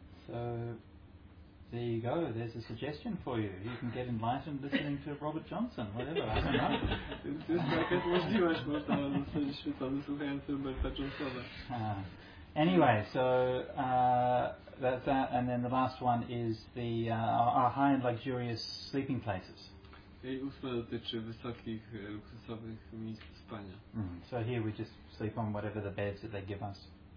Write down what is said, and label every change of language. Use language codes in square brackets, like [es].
[en] So, there you go, there's a suggestion for you. You can get enlightened listening to Robert Johnson, whatever, I don't know. [pl] Jest taka możliwość, można zostać oświecony słuchając Roberta Johnsona. [en] Anyway, so that's that, and then the last one is the our high and luxurious sleeping places. [pl] I ósma dotyczy wysokich, luksusowych miejsc spania. [en] So here we just sleep on whatever the beds that they give us.